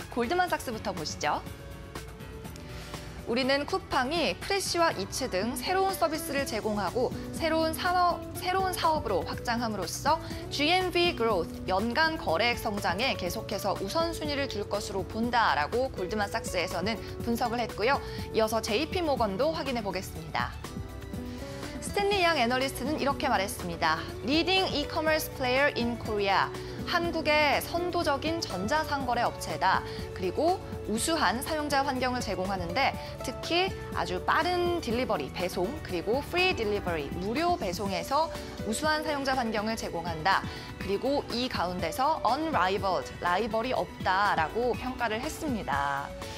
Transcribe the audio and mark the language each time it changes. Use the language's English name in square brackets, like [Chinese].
[Korean] 골드만삭스부터 보시죠. 우리는 쿠팡이 프레쉬와 이츠 등 새로운 서비스를 제공하고 새로운 사업으로 확장함으로써 [English] GMV growth, [Korean] 연간 거래액 성장에 계속해서 우선순위를 둘 것으로 본다라고 골드만삭스에서는 분석을 했고요. 이어서 JP모건도 확인해 보겠습니다. 스탠리 양 애널리스트는 이렇게 말했습니다. [English] Leading e-commerce player in Korea. [Korean] 한국의 선도적인 전자상거래 업체다. 그리고 우수한 사용자 환경을 제공하는데 특히 아주 빠른 딜리버리 배송 그리고 프리 딜리버리 무료 배송에서 우수한 사용자 환경을 제공한다. 그리고 이 가운데서 unrivaled, 라이벌이 없다라고 평가를 했습니다.